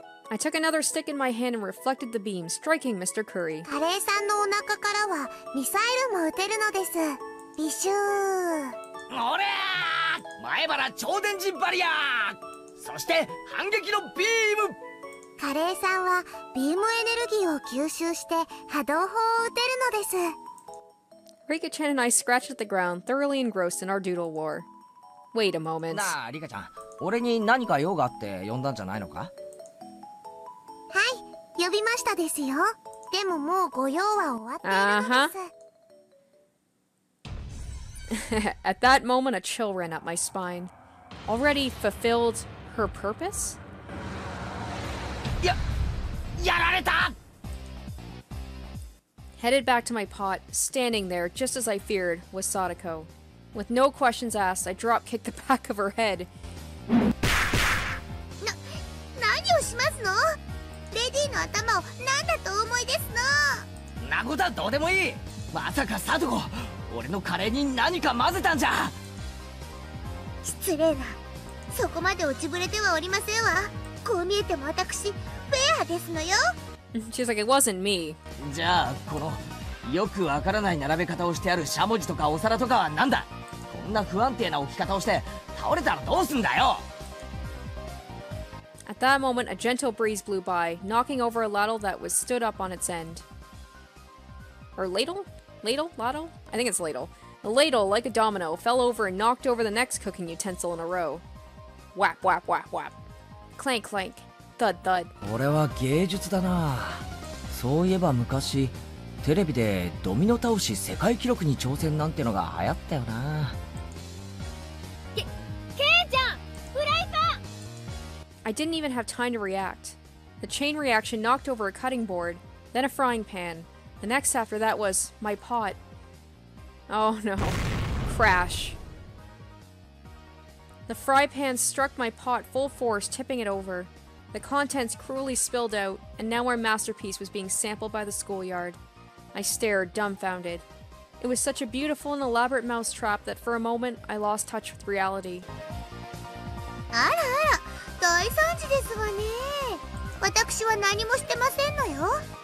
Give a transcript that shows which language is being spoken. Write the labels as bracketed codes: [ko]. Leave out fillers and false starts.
[en] I took another stick in my hand and reflected the beam, striking Mr. Curry. [ja] カレーさんのお腹からはミサイルも撃てるのです。ビシュー。おりゃー!前腹超電磁バリアー!そして反撃のビーム! カレーさんはビームエネルギーを吸収して波動砲を撃てるのです。 [en] Rika-chan and I scratched at the ground, thoroughly engrossed in our doodle war. Wait a moment. [ja] なあ、リカちゃん、俺に何か用があって呼んだんじゃないのか? はい、呼びましたですよ。でももうご用は終わっているのです。 [en] At that moment, a chill ran up my spine. Already fulfilled her purpose? [ja] やられた! [en] Headed back to my pot, standing there, just as I feared, was Sadako. With no questions asked, I drop-kicked the back of her head. [ja] な、何をしますの? レディの頭を何だと思いですの? なことはどうでもいい!まさかサドコ、俺のカレーに何か混ぜたんじゃ! 失礼な。そこまで落ちぶれてはおりませんわ。こう見えても私、フェアですのよ。 [en] She's like, it wasn't me. [ja] じゃあ、このよくわからない並べ方をしてあるしゃもじとかお皿とかはなんだ。こんな不安定な置き方をして倒れたらどうすんだよ。 [en] At that moment, a gentle breeze blew by, knocking over a ladle that was stood up on its end. Or ladle? Ladle? Ladle? I think it's ladle. The ladle, like a domino, fell over and knocked over the next cooking utensil in a row. Whap, whap, whap, whap. Clank, clank. Thud, thud. [ja] これは芸術だな。そういえば昔、テレビでドミノ倒し世界記録に挑戦なんてのが流行ったよな。ケイちゃん、フライパン! [en] I didn't even have time to react. The chain reaction knocked over a cutting board, then a frying pan. The next after that was my pot. Oh no. Crash. The fry pan struck my pot full force, tipping it over. The contents cruelly spilled out, and now our masterpiece was being sampled by the schoolyard. I stared, dumbfounded. It was such a beautiful and elaborate mouse trap that for a moment, I lost touch with reality. [ja] あらあら、大惨事ですわね。私は何もしてませんのよ。